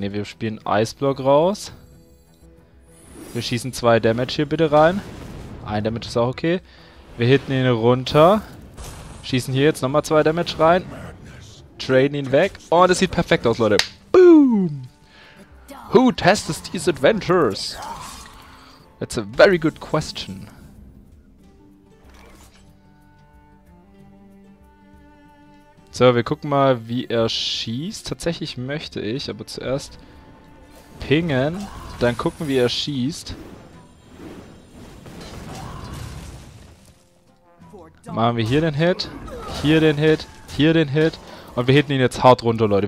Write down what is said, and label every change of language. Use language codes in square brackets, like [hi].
[de] Ne, wir spielen Eisblock raus. Wir schießen 2 Damage hier bitte rein. Ein Damage ist auch okay. Wir hitten ihn runter. Schießen hier jetzt nochmal 2 Damage rein. Traden ihn weg. Oh, das sieht perfekt aus, Leute. [en] Boom! Who tests these adventures? That's a very good question. [de] So, wir gucken mal, wie er schießt. Tatsächlich möchte ich, aber zuerst pingen. Dann gucken, wie er schießt. Machen wir hier den Hit, hier den Hit, hier den Hit und wir hitten ihn jetzt hart runter, Leute.